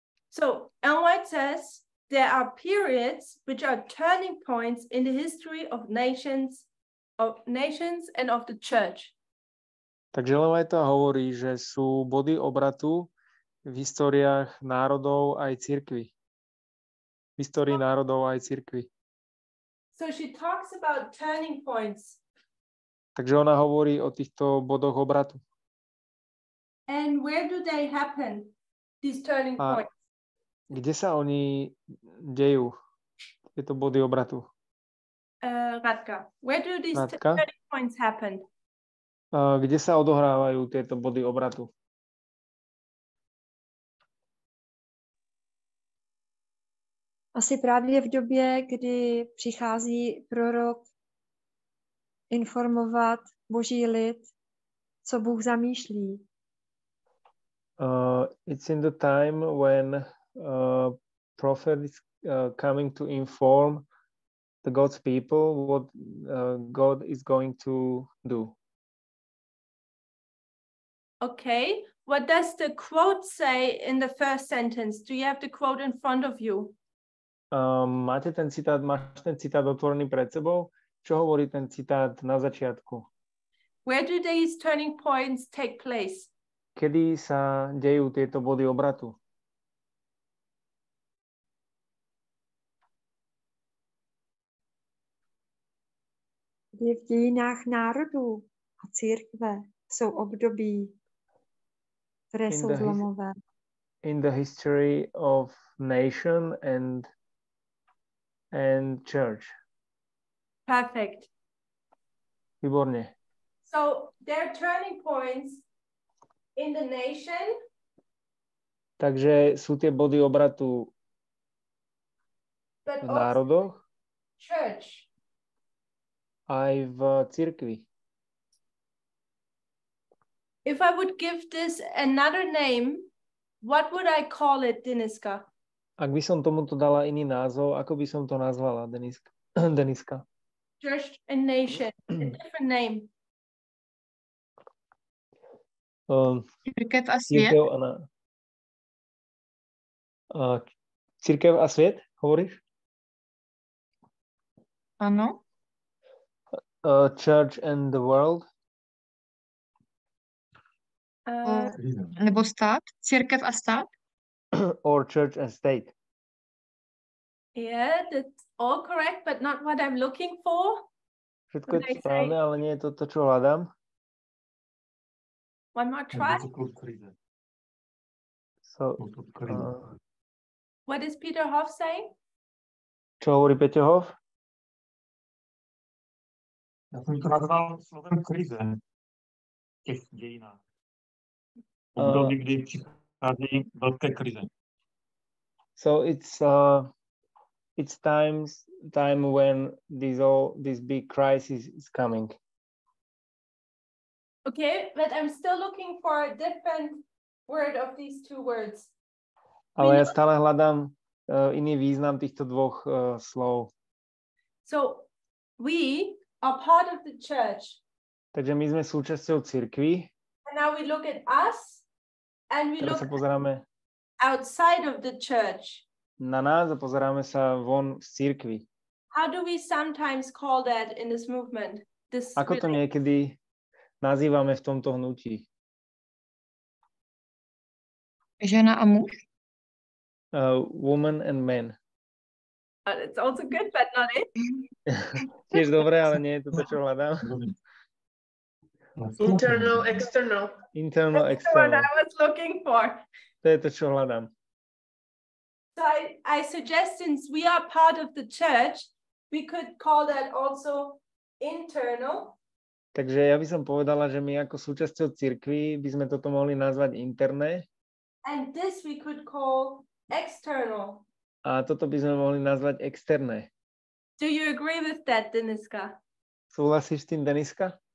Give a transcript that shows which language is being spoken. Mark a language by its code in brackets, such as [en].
[en] So, Ellen White says, there are periods which are turning points in the history of nations and of the church. [sk] Takže Ellen White hovorí, že sú body obratu v historiách národov aj cirkvi. V histórii národov aj cirkvi. [en] So she talks about turning points. [sk] Takže ona hovorí o týchto bodoch obratu. [en] And where do they happen, these turning points? [sk] Kde sa oni dejú, tieto body obratu? [en] Radka, where do these turning points happen? [sk] Kde sa odohrávajú tieto body obratu? [cs] Asi právě v době, kdy přichází prorok informovat Boží lid, co Bůh zamýšlí. [en] It's in the time when prophet is coming to inform the God's people what God is going to do. Okay, what does the quote say in the first sentence? Do you have the quote in front of you? [sk] Máte ten citát, máš ten citát otvorený pred sebou? Čo hovorí ten citát na začiatku? [en] Where do these turning points take place? [sk] Kedy sa dejú tieto body obratu? [cs] Kde v dejinách národu a církve sú období, ktoré sú zlomové. [en] In the history of nation and church. Perfect. [sk] Výborne. [en] So there are turning points in the nation. [sk] Takže sú tie body obratu v národoch. [en] Church. [sk] Aj v cirkvi. [en] If I would give this another name, what would I call it, Deniska? [sk] Ak by som tomuto dala iný názov, ako by som to nazvala, Deniska? [en] Church and nation, a different name. [cs] Církev a svět? Církev a, církev a svět, hovoríš? Ano. [en] Church and the world? [cs] Nebo stát? Církev a stát? [en] Or church and state. Yeah, that's all correct, but not what I'm looking for. [sk] Všetko je to správne, ale nie je to to, čo hľadám. [en] One more try. So, what is Peter Hoff saying? [sk] Čo hovorí Peter Hoff? Ja som to nazval slovem krize. Tých dejinách. Období, kdy prichádza veľké krize. [en] So it's time when this big crisis is coming. Okay, but I'm still looking for a different word of these two words. [sk] Ale ja stále hľadám iný význam týchto dvoch slov. [en] So we are part of the church. [sk] Takže my sme súčasťou cirkvi. [en] And now we look at us and we [sk] teraz [en] look [sk] pozeráme [en] outside of the church. [sk] Na nás a pozeráme sa von z cirkvi. [en] How do we sometimes call that in this movement? This [sk] ako to niekedy nazývame v tomto hnutí? Žena a muž. [en] Woman and man. It's also good, but not it. [sk] Tiež dobre, ale nie je to, čo hľadám. [en] Internal, external. Internal, external. That's what I was looking for. [sk] To je to, čo hľadám. [en] So I suggest, since we are part of the church, we could call that also internal. [sk] Takže ja by som povedala, že my ako súčasťou cirkvi by sme toto mohli nazvať interné. [en] And this we could call external. [sk] A toto by sme mohli nazvať externé. [en] Do you agree with that, Deniska? [sk] Súhlasíš s tým, Deniska?